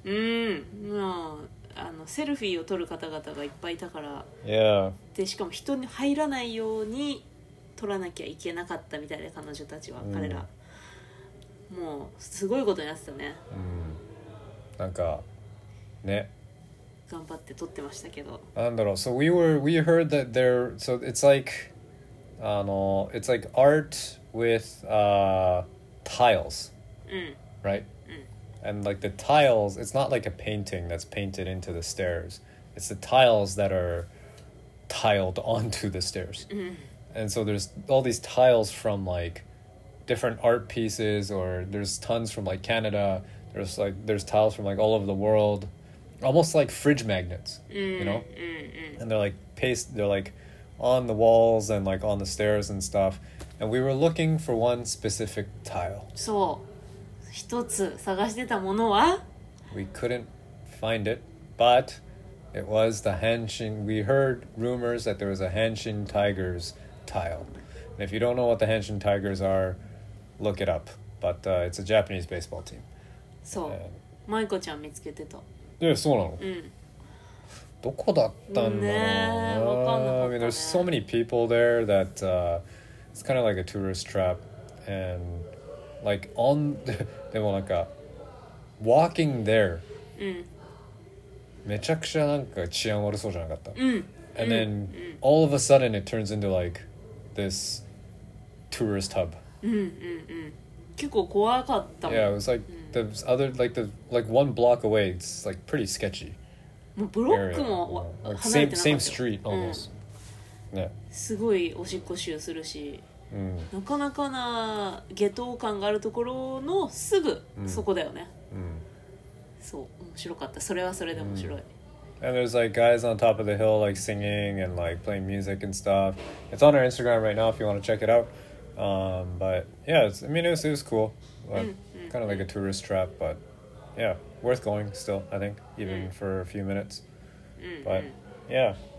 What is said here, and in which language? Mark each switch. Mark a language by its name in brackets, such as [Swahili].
[Japanese] うん、まあ、あのセルフィーを撮る方々がいっぱいいたから。 [English] Yeah. [Japanese] で、しかも人に入らないように撮らなきゃいけなかったみたいで、彼女たちは、うん、彼ら。もうすごいことになってたね、うん、なんかね頑張って撮ってましたけど、なんだろう、 [English] so we heard that there, so it's like あの it's like art with tiles、 [Japanese] うん、 [English] right、 [Japanese] うん、 [English] and like the tiles, it's not like a painting that's painted into the stairs, it's the tiles that are tiled onto the stairs、 [Japanese] うん、 [English] and so there's all these tiles from likeDifferent art pieces, or there's tons from like Canada. There's like there's tiles from like all over the world, almost like fridge magnets, you know. And they're like paste, they're like on the walls and like on the stairs and stuff. And we were looking for one specific tile. [Japanese] そう、一つ探してたものは。 [English] We couldn't find it, but it was the Hanshin. We heard rumors that there was a Hanshin Tigers tile. And if you don't know what the Hanshin Tigers are. Look it up, but it's a Japanese baseball team. [Japanese] そう、マイコちゃん見つけてた。え、そうなの。うん。どこだったんだろう。ねえ、わかんなかったね。 [English] I mean, there's so many people there that it's kind of like a tourist trap, and like on [Japanese] でもなんか [English] walking there、 [Japanese] うん、めちゃくちゃなんか治安悪そうじゃなかった。うん。 [English] And then、うん、all of a sudden it turns into like this tourist hub. [Japanese] うんうんうん、結構怖かったもん。 [English] Yeah, it was like、うん、the other like the like one block away. It's like pretty sketchy. [Japanese] もうブロックも離れてなかった。 [English] Same street almost.、うん、yeah. [Japanese] すごいおしっこ臭するし、うん、なかなかな下等感があるところのすぐそこだよね。うんうん、そう面白かった。それはそれで面白い。うん、 [English] And there's like guys on top of the hill like singing and like playing music and stuff. It's on our Instagram right now if you want to check it out. But yeah, it's, I mean, it was cool. Like, kind of like a tourist trap, but yeah, worth going still, I think, even for a few minutes. But yeah.